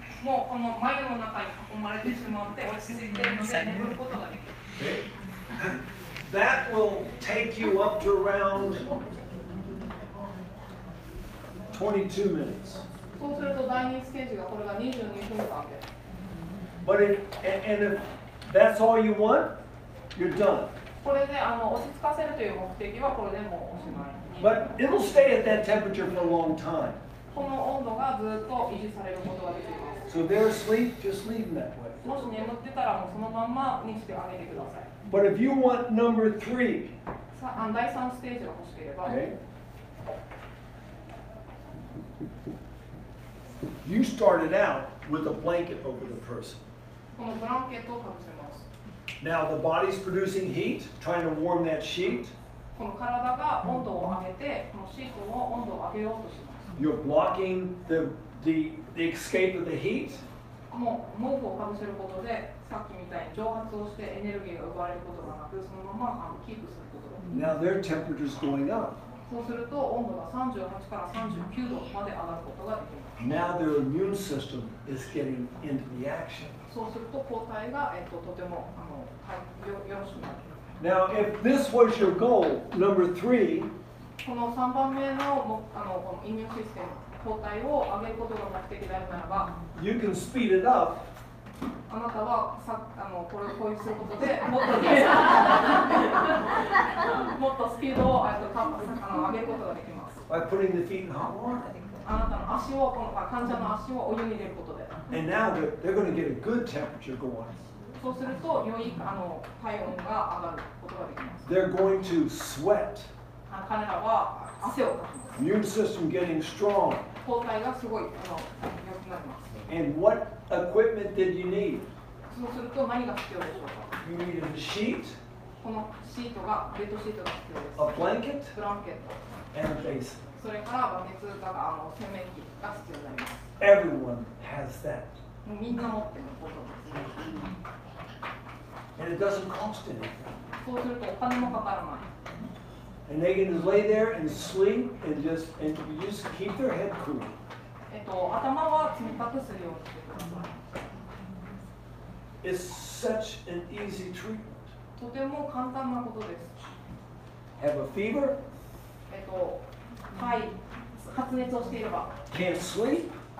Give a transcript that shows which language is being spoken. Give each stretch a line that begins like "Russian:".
Japanese: もうこの繭の中に囲まれてしまって落ち着いているので眠ることができる。
English: That will take you up to around 22 minutes.
Japanese: そうすると第2ステージがこれが22分間で。
English: But if that's all you want, you're done.
Japanese: これで落ち着かせるという目的はこれでもうおしまい。
English: But it'll stay at that temperature for a long time.
Japanese: この温度がずっと維持されることができる。
English: So if they're asleep, just leave them that way.
Japanese: もし眠ってたらもうそのまんまにしてあげてください。
English: But if you want number three,
Japanese: 第三ステージが欲しければ、
English: You started out with a blanket over the person.
Japanese: このブランケットをかぶせます。
English: Now the body's producing heat, trying to warm that sheet.
Japanese: この体が温度を上げて、このシートの温度を上げようとします。
English: You're blocking the escape of the heat?
Japanese: もう毛布をかぶせることで、さっきみたいに蒸発をしてエネルギーが奪われることがなく、そのままキープすることができ
English: る。Now their temperature's going up.
Japanese: そうすると温度が38から39度まで上がることができます。
English: Now their immune system is getting into the action.
Japanese: そうすると抗体が、とてもよろしくなります。
English: Now, if this was your goal, number three,
Japanese: この3番目の、このイミューシステム、抗体を上げることが目的であるならば、
English: you can speed it up.
Japanese: あなたはさ、これをこういうすることで、もっと、もっとスピードを上げることができます。
English: By putting the feet in hot water.
Japanese: あなたの足を、この患者の足をお湯に入れることで。
English: And now they're going to get a good temperature going.
Japanese: そうすると、より体温が上がることができます。
English: They're going to sweat.
Japanese: 彼らは汗をかきます。
English: Immune system getting strong.
Japanese: 抗体がすごい良くなります。
English: And what equipment did you need?
Japanese: そうすると何が必要でしょうか?
English: You need a sheet.
Japanese: このシートが、ベッドシートが必要です。
English: A blanket.
Japanese: ブランケット。
English: And a base.
Japanese: それから、バケツとか洗面器が必要になります。
English: Everyone has that.
Japanese: みんな持ってることです。
English: And it doesn't cost anything.
Japanese: そうするとお金もかからない。
English: And they can lay there and sleep and just keep their head cool.
Japanese: 頭は冷たくするようにしてください。
English: It's such an easy treatment.
Japanese: とても簡単なことです。
English: Have a fever?
Japanese: はい、発熱をしていれば。
English: Can't sleep?